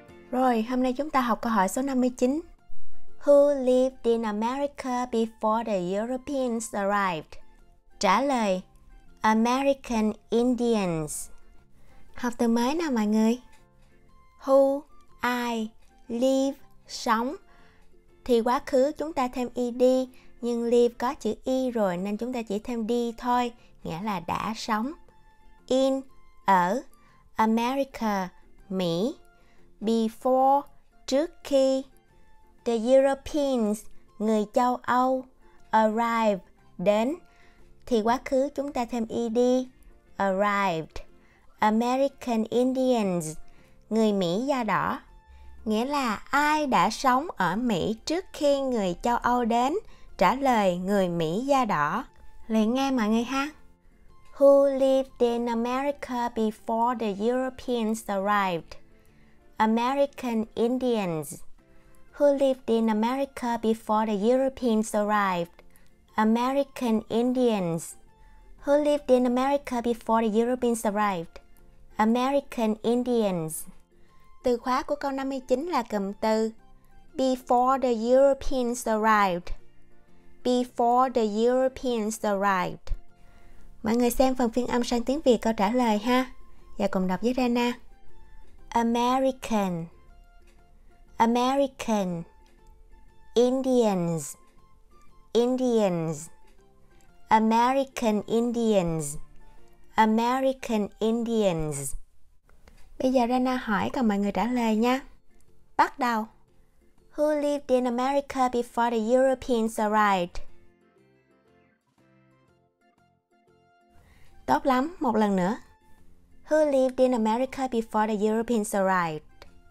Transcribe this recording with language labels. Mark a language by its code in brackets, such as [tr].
[vi] Rồi, hôm nay chúng ta học câu hỏi số 59. [en] Who lived in America before the Europeans arrived? [vi] Trả lời: [en] American Indians. [vi] Học từ mới nào mọi người. Who, ai, live, sống. Thì quá khứ chúng ta thêm ed, nhưng live có chữ y rồi nên chúng ta chỉ thêm d thôi, nghĩa là đã sống. In, ở. America, Mỹ. Before, trước khi. [en] The Europeans, [vi] người châu Âu. Arrive, đến. Thì quá khứ chúng ta thêm ed, arrived. [en] American Indians, [vi] người Mỹ da đỏ. Nghĩa là ai đã sống ở Mỹ trước khi người châu Âu đến? Trả lời: người Mỹ da đỏ. Luyện nghe mọi người ha. [en] Who lived in America before the Europeans arrived? American Indians. Who lived in America before the Europeans arrived? American Indians. Who lived in America before the Europeans arrived? American Indians. [vi] Từ khóa của câu 59 là cụm từ [en] before the Europeans arrived. Before the Europeans arrived. [vi] Mọi người xem phần phiên âm sang tiếng Việt câu trả lời ha. Và cùng đọc với Rena. [en] American. American. Indians. Indians. American Indians. American Indians. [vi] Bây giờ Rena hỏi còn mọi người trả lời nha. Bắt đầu. [en] Who lived in America before the Europeans arrived? [vi] Tốt lắm, một lần nữa. [en] Who lived in America before the Europeans arrived?